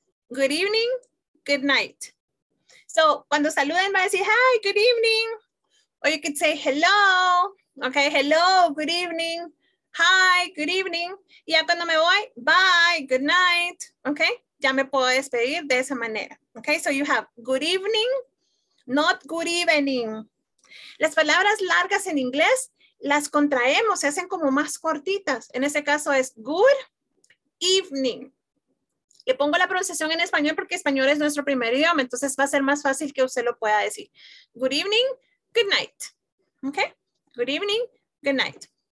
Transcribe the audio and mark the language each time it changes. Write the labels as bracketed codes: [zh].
[en] Good evening, good night. So, [es] cuando saluden va a decir, [en] hi, good evening. Or you could say hello. Ok, hello, good evening. Hi, good evening. [es] Y ya cuando me voy, [en] bye, good night. [es] Ok, ya me puedo despedir de esa manera. [en] Ok, so you have good evening, not good evening. [es] Las palabras largas en inglés las contraemos, se hacen como más cortitas. En este caso es good evening. Le pongo la pronunciación en español porque español es nuestro primer idioma, entonces va a ser más fácil que usted lo pueda decir. [en] Good evening, good night. ¿Ok? Good evening, good night.